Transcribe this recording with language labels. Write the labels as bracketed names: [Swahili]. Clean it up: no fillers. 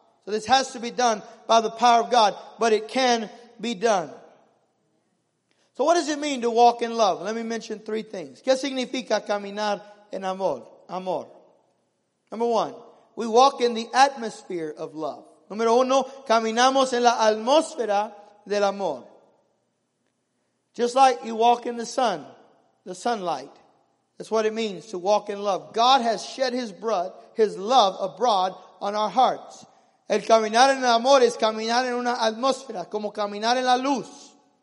[English] So this has to be done by the power of God, but it can be done. So what does it mean to walk in love? Let me mention three things. [Spanish] ¿Qué significa caminar en amor? Amor. [English] Number one, we walk in the atmosphere of love. [Spanish] Número uno, caminamos en la atmósfera del amor. [English] Just like you walk in the sun, the sunlight. That's what it means to walk in love. God has shed his love abroad on our hearts. [Spanish] El caminar en el amor es caminar en una atmósfera, como caminar en la luz.